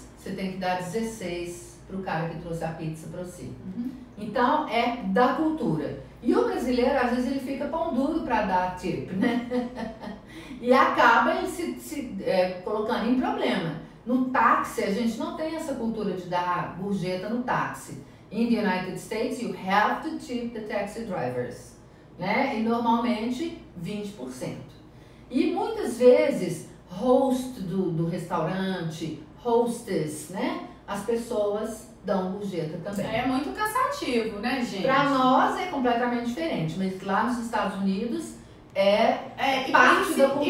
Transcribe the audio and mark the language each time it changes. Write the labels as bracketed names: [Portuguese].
[Portuguese] Você tem que dar 16 para o cara que trouxe a pizza para você. Uhum. Então, é da cultura. E o brasileiro, às vezes, ele fica pão duro para dar tip, né? E acaba ele se colocando em problema. No táxi, a gente não tem essa cultura de dar gorjeta no táxi. [English] In the United States, you have to tip the taxi drivers, né? [Portuguese] E normalmente, 20%. E muitas vezes, host do restaurante, hostess, né? As pessoas dão gorjeta também. É muito cansativo, né, gente? Pra nós é completamente diferente, mas lá nos Estados Unidos é parte da cultura.